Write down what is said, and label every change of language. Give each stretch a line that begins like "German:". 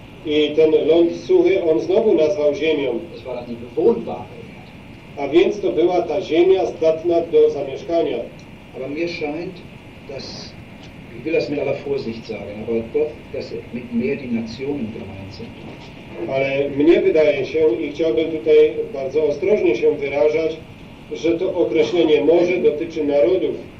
Polish: I ten ląd suchy on znowu nazwał ziemią.
German: Das war dann die bewohnbare Erde.
Polish: A więc to była ta ziemia zdatna do zamieszkania.
German: Aber mir scheint, dass, ich will das mit aller Vorsicht sagen, aber doch, dass mit mehr die Nationen gemeint sind.
Polish: Ale mnie wydaje się, i chciałbym tutaj bardzo ostrożnie się wyrażać, że to określenie morze dotyczy narodów.